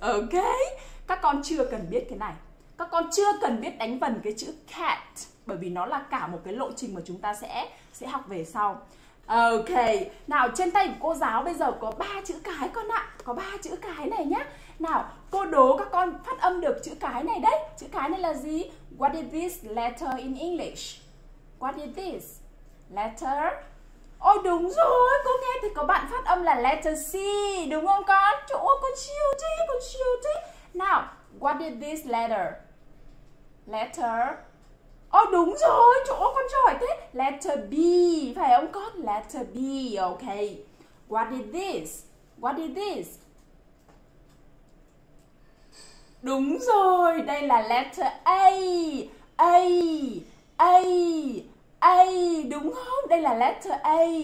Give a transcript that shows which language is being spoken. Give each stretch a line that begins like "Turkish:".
Vietnamese: Ok, các con chưa cần biết cái này. Các con chưa cần biết đánh vần cái chữ cat bởi vì nó là cả một cái lộ trình mà chúng ta sẽ học về sau. Ok, nào, trên tay của cô giáo bây giờ có 3 chữ cái con ạ. Có 3 chữ cái này nhá. Nào, cô đố các con phát âm được chữ cái này đấy. Chữ cái này là gì?
English: What is this letter in English? What is this letter
Vietnamese: Ôi đúng rồi, cô nghe thì có bạn phát âm là letter C, đúng không con? Trời ơi, con siêu thế, con siêu thế.
English: Nào, what did this letter? Letter.
Vietnamese: Ôi đúng rồi, trời ơi, con giỏi thế.
English: Letter B,
Vietnamese: phải không con?
English: Letter B, ok. What did this? What did this?
Vietnamese: Đúng rồi, đây là letter A. A, A, A, đúng không? Đây là letter A.